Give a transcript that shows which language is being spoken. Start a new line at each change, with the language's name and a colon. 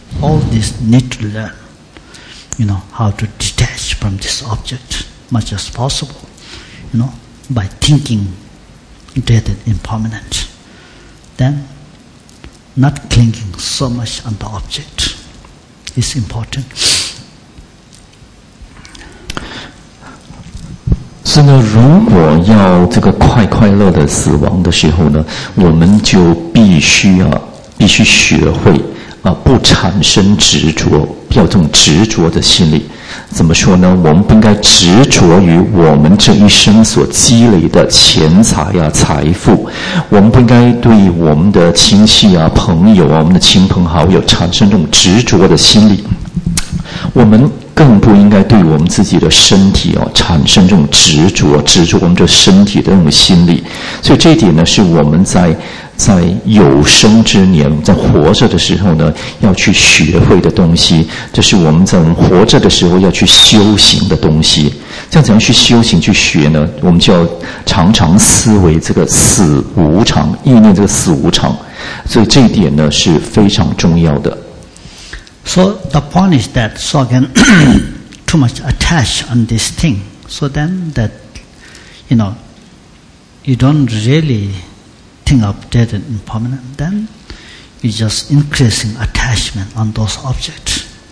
English: All this need to learn, you know, how to detach from this object much as possible, you know, by thinking dead and impermanent. Then not clinging so much on the object is important.
Chinese: 是呢，如果要这个快快乐的死亡的时候呢，我们就必须学会不产生执着，要动执着的心理。怎么说呢？我们不应该执着于我们这一生所积累的钱财啊、财富，我们不应该对我们的亲戚啊、朋友啊、我们的亲朋好友产生这种执着的心理，我们更不应该对我们自己的身体啊产生这种执着我们这身体的那种心理。所以这一点呢，是我们在有生之年，在活着的时候呢，要去学会的东西，这是我们在我们活着的时候要去修行的东西。这样怎样去修行去学呢？我们就要常常思维这个死无常，意念这个死无常。所以这一点呢是非常重要的。
English: So the point is that, so again, too much attach on this thing. So then that, you know, you don't really think of dead and impermanent. Then you're just increasing attachment on those objects.